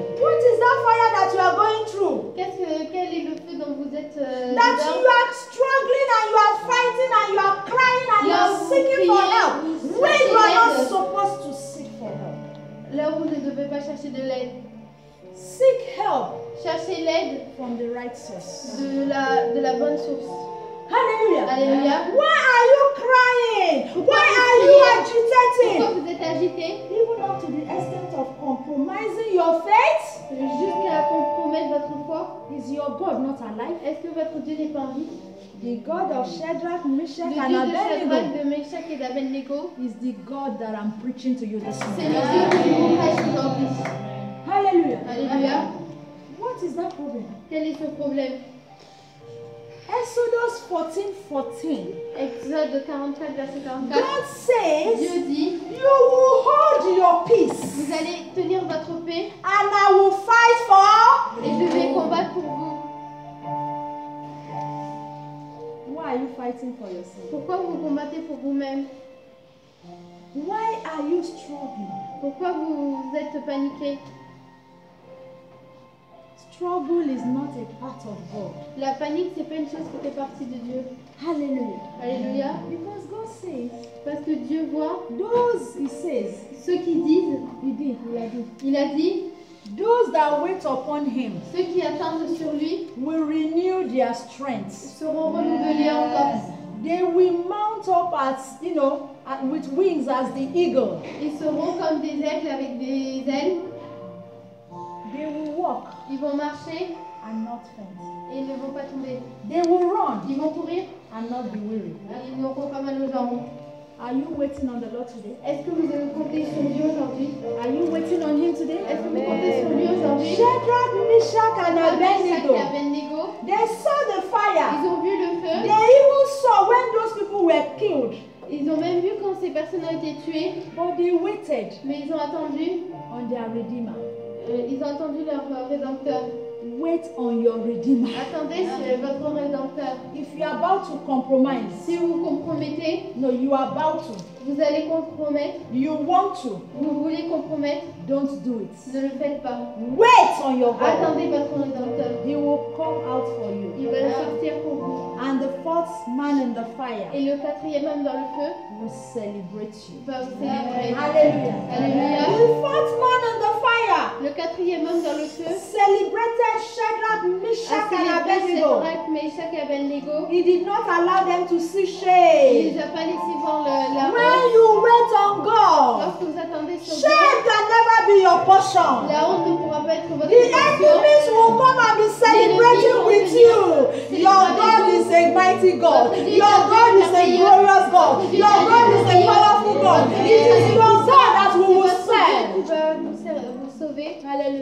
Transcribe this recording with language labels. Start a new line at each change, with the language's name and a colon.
English: What is that fire that you are going through?
French: Quel est le feu dont vous êtes that dedans?
English: You are struggling and you are fighting and you are crying and you are seeking for help. Where you are not supposed to seek for help.
French: Là où vous ne devez pas chercher de l'aide.
English: Seek help.
French: Cherchez l'aide
English: from the right source.
French: De la bonne source.
English: Hallelujah. Hallelujah. Why are you crying? Why are you agitating?
French: Pourquoi vous êtes agité?
English: Even up to the extent of compromising your faith.
French: Jusqu'à compromettre votre foi.
English: Is your God not alive?
French: Est-ce que votre Dieu n'est pas en vie?
English: The God of Shadrach, Meshach, and Abednego.
French: De Meshach et d'Abednego.
English: Is the God that I'm preaching to you this morning.
French: C'est le Dieu que je vous prêche aujourd'hui.
English: Hallelujah. Hallelujah. What is that problem?
French: Quel est ce problème?
English: Exodus 14:14.
French: Exode 44 verset 44.
English: God says.
French: Dieu dit.
English: You will hold your peace.
French: Vous allez tenir votre paix.
English: And I will fight for.
French: Et je vais combattre pour vous.
English: Why are you fighting for yourself?
French: Pourquoi vous combattez pour vous-même?
English: Why are you struggling?
French: Pourquoi vous êtes paniqué?
English: Trouble is not a part of God.
French: La panique, c'est pas une chose qui fait partie de Dieu.
English: Hallelujah.
French: Alléluia.
English: Because God says.
French: Parce que Dieu voit.
English: Those he says.
French: Ceux qui disent. Il a dit.
English: Those that wait upon him.
French: Ceux qui attendent sur lui.
English: Will renew their strength.
French: Seront renouvelés en force.
English: They will mount up as, you know, with wings as the eagle.
French: Ils seront comme des aigles avec des ailes.
English: They will walk.
French: Ils vont marcher
English: and not faint.
French: Et ils ne vont pas tomber.
English: They will run.
French: Ils vont courir
English: and not be weary.
French: Et ils n'auront pas mal aux jambes.
English: Are you waiting on the Lord today?
French: Est-ce que vous avez compté sur Dieu aujourd'hui?
English: Are you waiting on Him today?
French: Est-ce que vous comptez sur Lui aujourd'hui?
English: Shadrach, Meshach, and Abednego. They saw the fire.
French: Ils ont vu le feu.
English: They even saw when those people were killed.
French: Ils ont même vu quand ces personnes ont été tuées.
English: But they waited.
French: Mais ils ont attendu.
English: On their Redeemer.
French: Ils ont entendu leur rédempteur.
English: Wait on your redeemer.
French: Attendez sur votre rédempteur.
English: If you are about to compromise.
French: Si vous compromettez.
English: No, you are about to.
French: Vous allez compromettre.
English: You want to.
French: Vous voulez compromettre.
English: Don't do it.
French: Ne le faites pas.
English: Wait on your God.
French: Attendez votre rédempteur.
English: He will come out for you.
French: Il va sortir pour vous.
English: And the four fourth man in the fire.
French: Et le quatrième homme dans le feu.
English: We celebrate you. Hallelujah. The fourth man in the fire.
French: Le quatrième homme dans le feu.
English: Celebrated Shadrach, Meshach, and Abednego. Shadrach, Meshach, Abednego. He did not allow them to see shame.
French: Il ne les a pas laissé voir la
English: honte. When you wait on God.
French: Lorsque vous attendez sur Dieu.
English: Shame can never be your portion.
French: La honte ne pourra pas être votre portion.
English: The enemies will come and be celebrating with you. Your God is a mighty God. Your God is a glorious God. Your God is a powerful God. It is your God that we will serve.